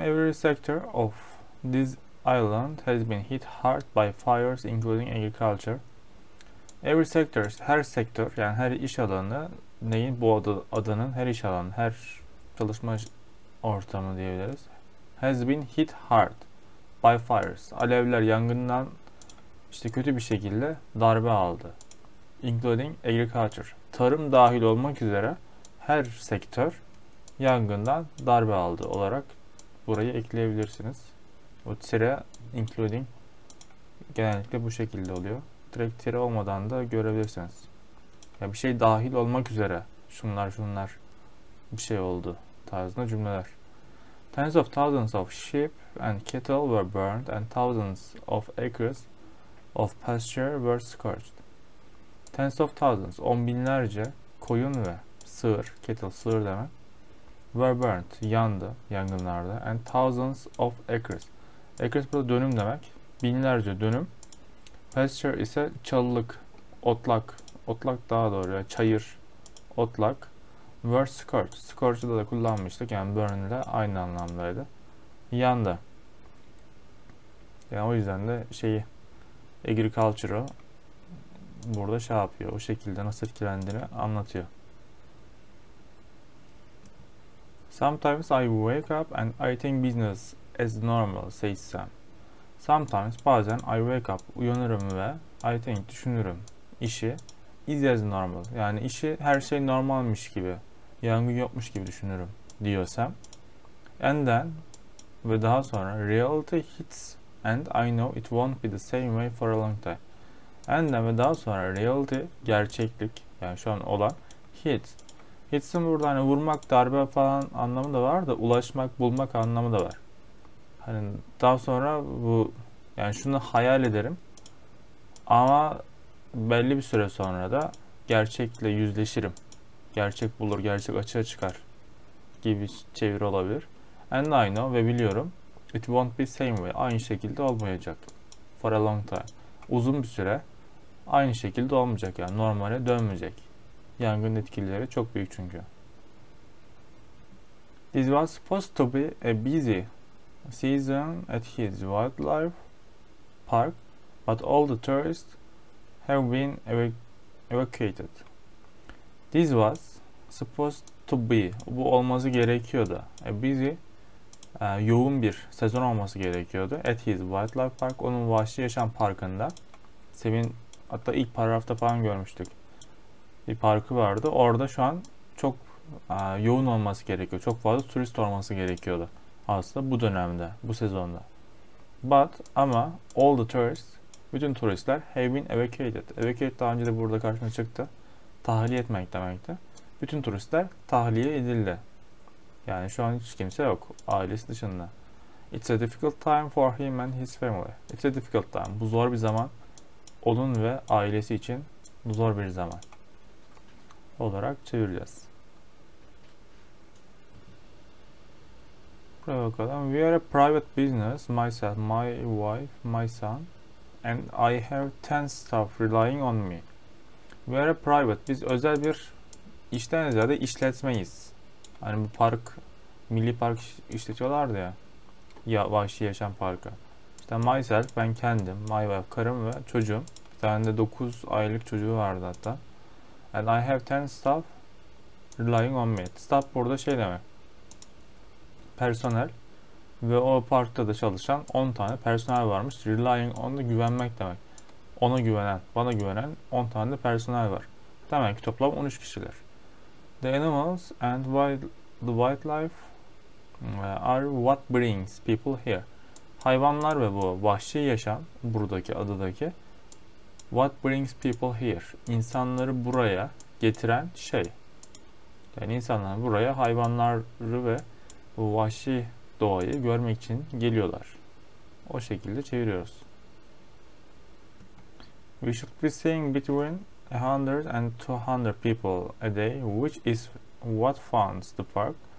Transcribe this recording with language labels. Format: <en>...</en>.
<en>Every sector of this island has been hit hard by fires, including agriculture. Every sector,</en> <tr>her sektör, yani her iş alanı, neyin bu adanın her iş alanı, her çalışma ortamı diyebiliriz.</tr> <en>Has been hit hard by fires.</en> <tr>Alevler, yangından İşte kötü bir şekilde darbe aldı.</tr> <en>Including agriculture.</en> <tr>Tarım dahil olmak üzere her sektör yangından darbe aldı olarak burayı ekleyebilirsiniz. O tire including genellikle bu şekilde oluyor. Direkt tire olmadan da görebilirsiniz. Ya bir şey dahil olmak üzere şunlar şunlar bir şey oldu tarzında cümleler.</tr> <en>Tens of thousands of sheep and cattle were burned and thousands of acres of pasture were scorched. Tens of thousands,</en> <tr>on binlerce koyun ve sığır,</tr> <en>cattle,</en> <tr>sığır demek,</tr> <en>were burnt,</en> <tr>yandı yangınlarda,</tr> <en>and thousands of acres.</en> <tr>Acres burada dönüm demek, binlerce dönüm. Pasture ise çalılık, otlak, otlak daha doğru, yani çayır, otlak.</tr> <en>Were scorched,</en> <tr>scorched'da da kullanmıştık, yani burn ile aynı anlamdaydı. Yandı. Yani o yüzden de şeyi, Agriculture'ı burada şey yapıyor, o şekilde nasıl etkilendiğini anlatıyor.</tr> <en>Sometimes I wake up and I think business as normal, says Sam. Sometimes,</en> <tr>bazen</tr> <en>I wake up,</en> <tr>uyanırım ve</tr> <en>I think,</en> <tr>düşünürüm, işi</tr> <en>is as normal,</en> <tr>yani işi her şey normalmiş gibi, yangın yokmuş gibi düşünürüm, diyor Sam.</tr> <en>And then,</en> <tr>ve daha sonra</tr> <en>reality hits and I know it won't be the same way for a long time. And then,</en> <tr>ve daha sonra reality, gerçeklik, yani şu an olan, hit. Hits'in burada hani vurmak, darbe falan anlamı da var da, ulaşmak, bulmak anlamı da var. Hani daha sonra bu, yani şunu hayal ederim. Ama belli bir süre sonra da gerçekle yüzleşirim. Gerçek bulur, gerçek açığa çıkar gibi çeviri olabilir.</tr> <en>And I know,</en> <tr>ve biliyorum,</tr> <en>it won't be same way.</en> <tr>Aynı şekilde olmayacak.</tr> <en>For a long time.</en> <tr>Uzun bir süre aynı şekilde olmayacak, yani normale dönmeyecek. Yangın etkileri çok büyük çünkü.</tr> <en>This was supposed to be a busy season at his wildlife park, but all the tourists have been evacuated. This was supposed to be.</en> <tr>Bu olması gerekiyordu. A busy, yoğun bir sezon olması gerekiyordu.</tr> <en>At his wildlife park,</en> <tr>onun vahşi yaşam parkında. Sevin, hatta ilk paragrafta falan görmüştük. Bir parkı vardı. Orada şu an çok yoğun olması gerekiyor. Çok fazla turist olması gerekiyordu. Aslında bu dönemde, bu sezonda.</tr> <en>But,</en> <tr>ama</tr> <en>all the tourists,</en> <tr>bütün turistler</tr> <en>have been evacuated.</en> <tr>Evacuate daha önce de burada karşına çıktı. Tahliye etmek demekti. Bütün turistler tahliye edildi. Yani şu an hiç kimse yok, ailesi dışında. It's a difficult time for him and his family.</tr> <en>It's a difficult time.</en> <tr>Bu zor bir zaman. Onun ve ailesi için bu zor bir zaman olarak çevireceğiz. Buraya bakalım.</tr> <en>We are a private business. Myself, my wife, my son, and I have 10 staff relying on me. We are a private.</en> <tr>Biz özel bir işten ziyade işletmeyiz. Hani bu park, Milli Park işletiyorlardı ya. Ya vahşi yaşam parkı. İşte myself, ben kendim,</tr> <en>my wife,</en> <tr>karım ve çocuğum. tane de 9 aylık çocuğu vardı hatta.</tr> <en>And I have 10 staff relying on me.</en> <tr>Staff burada şey demek. Personel. Ve o parkta da çalışan 10 tane personel varmış.</tr> <en>Relying on</en> <tr>da güvenmek demek. Ona güvenen, bana güvenen 10 tane de personel var. Demek ki toplam 13 kişiler.</tr> <en>The animals and the wildlife are what brings people here.</en> <tr>Hayvanlar ve bu vahşi yaşam buradaki adadaki</tr> <en>what brings people here?</en> <tr>İnsanları buraya getiren şey. Yani insanlar buraya hayvanları ve bu vahşi doğayı görmek için geliyorlar. O şekilde çeviriyoruz.</tr> <en>We should be seeing between 100 and 200 people a day, which is what funds the park.</en>